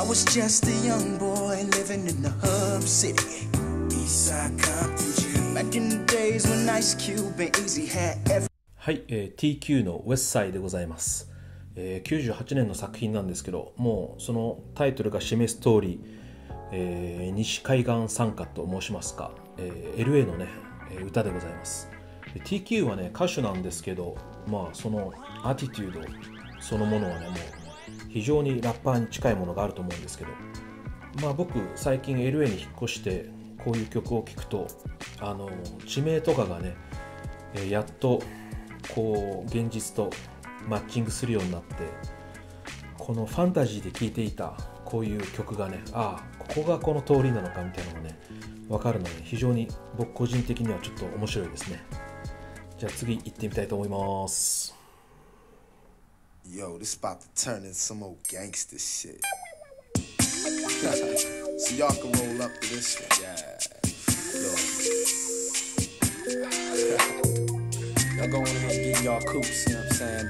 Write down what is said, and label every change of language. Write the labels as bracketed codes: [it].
[en] Just a young boy living in the hub city, Eastside Compton. Back in the days when Ice Cube and Easy had everything. [ja] はい、TQ の Westside でございます。 98年の作品なんですけど、もうそのタイトルが示す通り、西海岸参加と申しますか、LA のね、歌でございます。で TQ はね、歌手なんですけど、そのアティチュードそのものはね、もう非常にラッパーに近いものがあると思うんですけど、僕最近 LA に引っ越してこういう曲を聴くと、地名とかがね、やっとこう現実とマッチングするようになって、このファンタジーで聴いていたこういう曲がね、ああここがこの通りなのかみたいなのがね、分かるので、非常に僕個人的にはちょっと面白いですね。じゃあ次行ってみたいと思います。 [en] Yo, this about to turn into some old gangster shit. So y'all can roll up to this one. Yeah. Yo. Y'all go on ahead and get y'all coops, you know what I'm saying?